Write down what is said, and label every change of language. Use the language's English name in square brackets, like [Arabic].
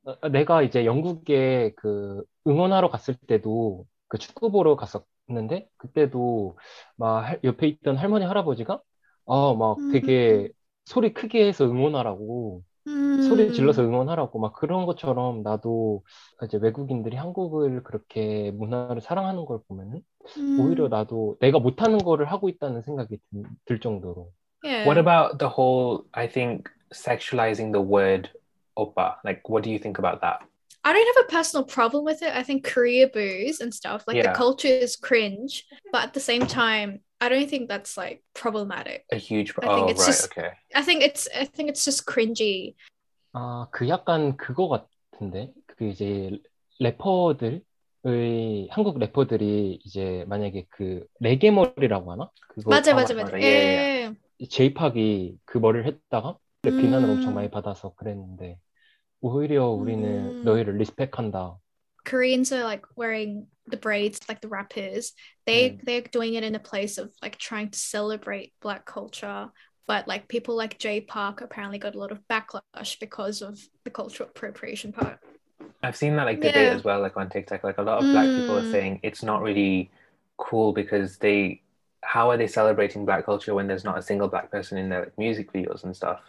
[Korean] 내가 이제 영국에 그 응원하러 갔을 때도 그 축구 보러 갔었는데 그때도 막 옆에 있던 할머니 할아버지가 막 되게 소리 크게 해서 응원하라고 소리 질러서 응원하라고 막 그런 것처럼 나도 이제 외국인들이 한국을 그렇게 문화를 사랑하는 걸 보면은 오히려 나도 내가 못하는 거를 하고 있다는 생각이 들 정도로. [English] Yeah. What about the whole, I think, sexualizing the word oppa? Like, what do you think about that? I don't have a personal problem with it. I think career booze and stuff, like the culture is cringe, but at the same time, I don't think that's like problematic. A huge problem. I think it's. I think it's just cringy. [Korean] 아, 그 약간 그거 같은데 그 이제 래퍼들의 한국 래퍼들이 이제 만약에 그 레게 머리라고 하나? 그거 맞아. 예. J-pop이 그 머리를 했다가 비난을 엄청 많이 받아서 그랬는데 오히려 우리는 너희를 리스펙한다. [English] Koreans are like wearing the braids, like the wrappers, they're doing it in a place of like trying to celebrate Black culture. But like people like Jay Park apparently got a lot of backlash because of the cultural appropriation part. I've seen that like debate as well, like on TikTok, like a lot of Black people are saying it's not really cool because they, how are they celebrating Black culture when there's not a single Black person in their like, music videos and stuff?